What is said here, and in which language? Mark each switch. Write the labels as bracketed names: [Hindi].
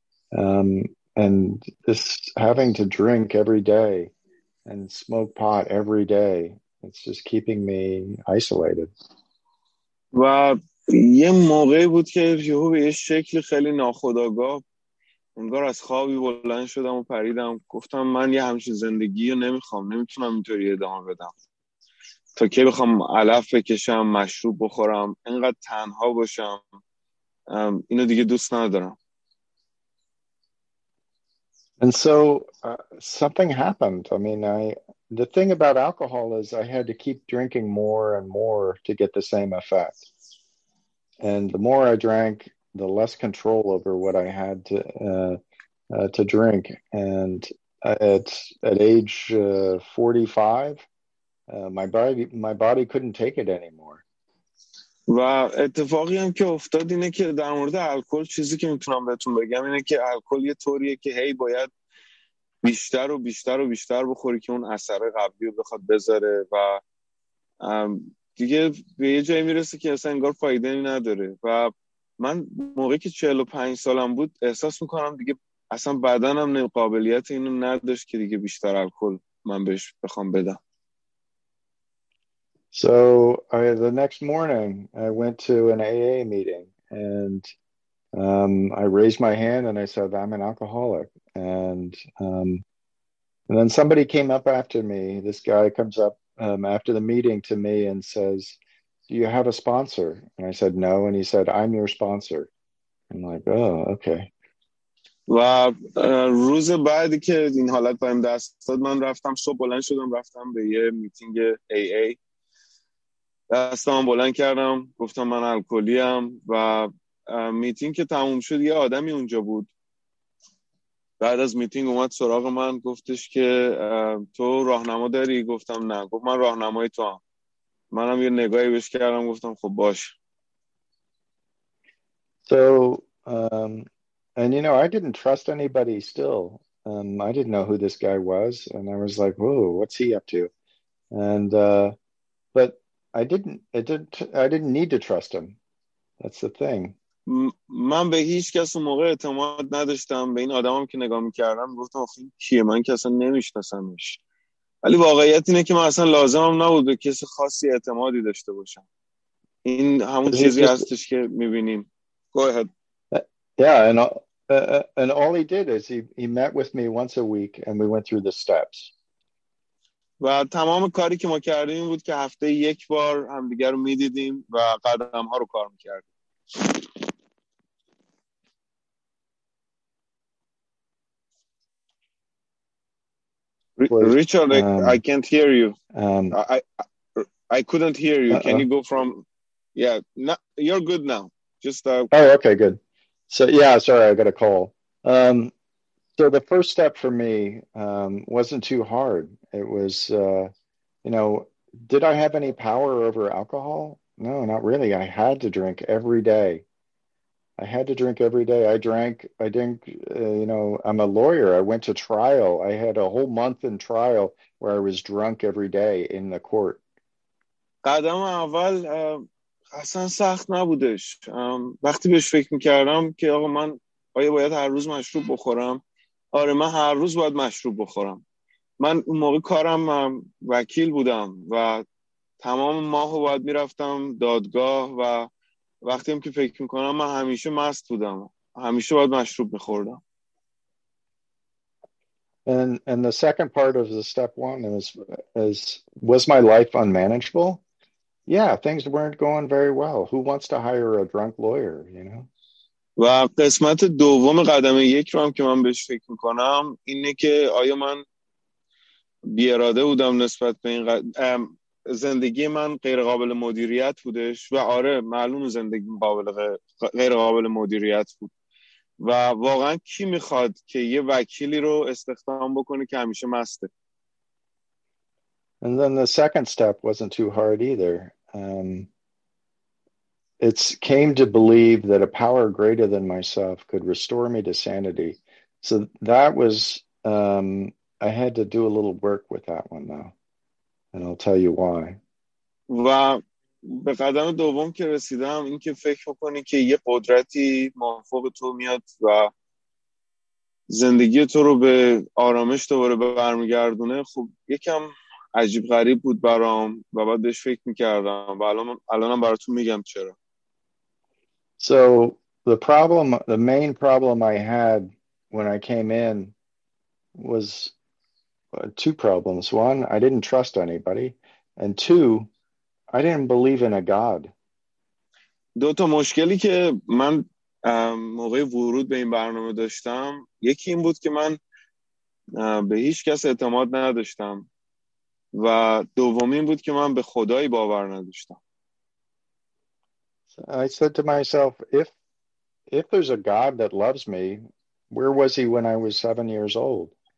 [English] And this having to drink every day and smoke pot every day, it's just keeping me isolated. Wow. [Persian] یه موقعی بود که یهو به یه شکل خیلی ناخودآگاه انگار از خوابی بلند شدم و پریدم، گفتم من یه همچین زندگی رو نمیخوام، نمیتونم اینطوری ادامه بدم. تا که بخوام علف بکشم، مشروب بخورم، انقدر تنها باشم، اینو دیگه دوست ندارم. [English] And so something happened. I mean, the thing about alcohol is I had to keep drinking more and more to get the same effect. And the more I drank, the less control over what I had to drink. And at age 45, my body couldn't take it anymore. [Persian] و اتفاقی هم که افتاد اینه که در مورد الکل چیزی که میتونم بهتون بگم اینه که الکل یه طوریه که هی باید بیشتر و بیشتر و بیشتر بخوری که اون اثر قبلی رو بخواد بذاره و دیگه به یه جایی میرسه که اصلا انگار فایده نداره. و من موقعی که 45 سالم بود احساس میکنم دیگه اصلا بدنم قابلیت اینو نداشت که دیگه بیشتر الکل من بهش بخوام بدم. [English] So the next morning I went to an AA meeting and I raised my hand and I said I'm an alcoholic. And then somebody came up after me. This guy comes up after the meeting to me and says, do you have a sponsor? And I said, no. And he said, I'm your sponsor. I'm like, oh, okay. [Persian] و روز بعدی که این حالت بایم دست داد، من رفتم، صبح بلند شدم، رفتم به یه میتینگ AA. دستم بلند کردم، گفتم من الکلیم. و میتینگ که تموم شد، یه آدمی اونجا بود. بعد از میتینگ اومد سراغ من، گفتش که تو راهنما داری؟ گفتم نه. گفت من راهنمای تو هم. منم یه نگاهی بهش کردم، گفتم خب باش. [English] So and you know I didn't trust anybody still. I didn't know who this guy was and I was like, "Whoa, what's he up to?" And but I didn't need to trust him. That's the thing. [Persian] من به هیچ کس اون موقع اعتماد نداشتم. به این آدمم که نگاه میکردم گفتم آخه کیه، من که اصلا نمیشناسمش. ولی واقعیت اینه که من اصلا لازمم نبود به کسی خاصی اعتمادی داشته باشم. این همون چیزی هستش که میبینیم. [English] Go ahead. Yeah, and all he did is he met with me once a week and we went through the steps. [Persian] و تمام کاری که ما کردیم این بود که هفته یک بار همدیگر رو میدیدیم و قدم ها رو کار میکردیم. [English] Richard, I can't hear you. I couldn't hear you. Can you go from? Yeah, no, you're good now. Just. Oh, okay, good. So yeah, sorry, I got a call. So the first step for me wasn't too hard. It was, did I have any power over alcohol? No, not really. I had to drink every day. I had to drink every day. I drank. I didn't, I'm a lawyer. I went to trial. I had a whole month in trial where I was drunk every day in the court. [Persian] قدم اول اصلا سخت نبودش. وقتی بهش فکر میکردم که آقا من آیا باید هر روز مشروب بخورم؟ آره من هر روز باید مشروب بخورم. من اون موقع کارم وکیل بودم و تمام ماهو باید میرفتم دادگاه و وقتی هم که فکر میکنم من همیشه مست بودم، همیشه باید مشروب میخوردم. [English] And the second part of the step one is was my life unmanageable? Yeah, things weren't going very well. Who wants to hire a drunk lawyer, you know? [Persian] و قسمت دوم قدم یک رو هم که من بهش فکر میکنم اینه که آیا من بیاراده بودم نسبت به این زندگی من غیر قابل مدیریت بودش و آره معلوم زندگی قابل غیر قابل مدیریت بود و واقعا کی میخواد که یه وکیلی رو استخدام بکنه که همیشه مسته. [English] And then the second step wasn't too hard either. It's came to believe that a power greater than myself could restore me to sanity. So that was, I had to do a little work with that one though. And I'll tell you why. [Persian] و به قدم دوم که رسیدم این که فکر بکنی که یه قدرتی منفوق تو میاد و زندگی تو رو به آرامش دوباره برمیگردونه، خب یکم عجیب غریب بود برام و بعد بهش فکر میکردم و الانم براتون میگم چرا. [English] So the problem, the main problem I had when I came in was two problems. One, I didn't trust anybody. And two, I didn't believe in a God. [Persian] دو تا مشکلی که من موقع ورود به این برنامه داشتم، یکی این بود که من به هیچ کس اعتماد نداشتم و دومی این بود که من به خدایی باور نداشتم. [English] I said to myself, if there's a God that loves me, where was he when I was 7 years old?